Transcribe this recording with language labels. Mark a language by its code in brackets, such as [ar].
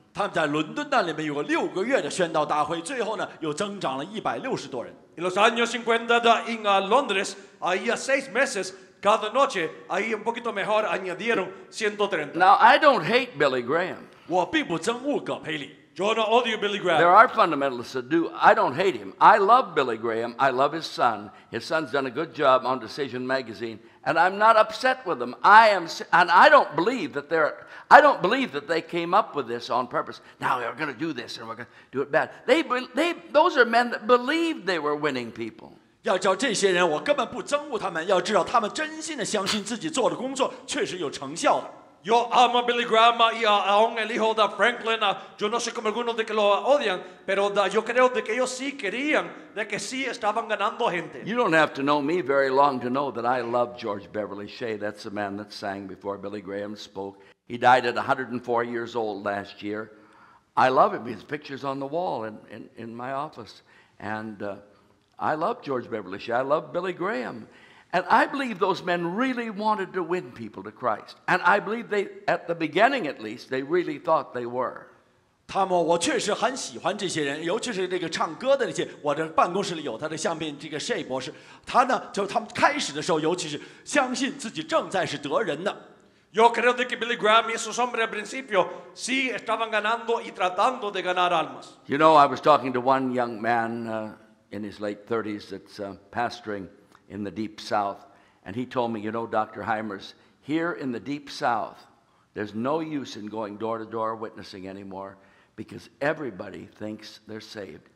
[zh] 他们在伦敦那里面有个六个月的宣道大会，最后呢又增长了160多人。 [es] En los años 50 en Londres había seis meses cada noche, ahí un poquito mejor añadieron 130. [en] Now I don't hate Billy Graham. [zh] 我并不憎恶葛培理。 [es] Yo no odio Billy Graham. [en] There are fundamentalists that do. I don't hate him. I love Billy Graham. I love his son. His son's done a good job on Decision Magazine. And I'm not upset with them. I am, and I don't believe that they're, I don't believe that they came up with this on purpose. Now we're going to do this and we're going to do it bad. Those are men that believed they were winning people. [zh] 要叫这些人，我根本不憎恶他们。要知道，他们真心的相信自己做的工作确实有成效的。 [es] Yo amo Billy Graham y aún el hijo de Franklin. Yo no sé cómo algunos de que lo odian, pero yo creo de que ellos sí querían, de que sí estaban ganando gente. [en] You don't have to know me very long to know that I love George Beverly Shea. That's the man that sang before Billy Graham spoke. He died at 104 years old last year. I love him. His picture's on the wall in my office. And I love George Beverly Shea. I love Billy Graham. And I believe those men really wanted to win people to Christ. And I believe they, at the beginning at least, they really thought they were. [zh] 他们，我确实很喜欢这些人，尤其是这个唱歌的那些。我的办公室里有他的相片，这个 Shea 博士。他呢，就他们开始的时候，尤其是相信自己正在是得人的。 [es] Yo creo que Billy Graham y esos hombres al principio sí estaban ganando y tratando de ganar almas. [en] You know, I was talking to one young man in his late 30s that's pastoring. In the deep south, and he told me, you know, Dr. Hymers, here in the deep south, there's no use in going door to door witnessing anymore because everybody thinks they're saved.